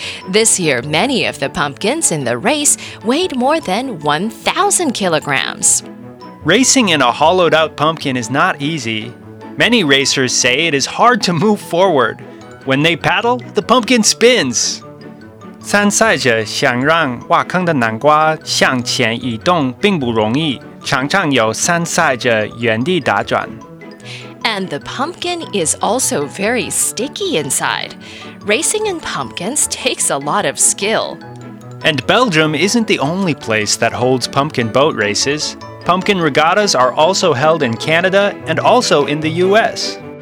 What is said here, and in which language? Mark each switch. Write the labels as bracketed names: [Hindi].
[English] This year, many of the pumpkins in the race weighed more than 1,000 kilograms. Racing in a hollowed-out pumpkin is not easy. Many racers say it is hard to move forward. When they paddle, the pumpkin spins. [Chinese] 参赛者想让挖坑的南瓜向前移动并不容易，常常有参赛者原地打转。 [English] And the pumpkin is also very sticky inside. Racing in pumpkins takes a lot of skill. And Belgium isn't the only place that holds pumpkin boat races. Pumpkin regattas are also held in Canada and also in the US.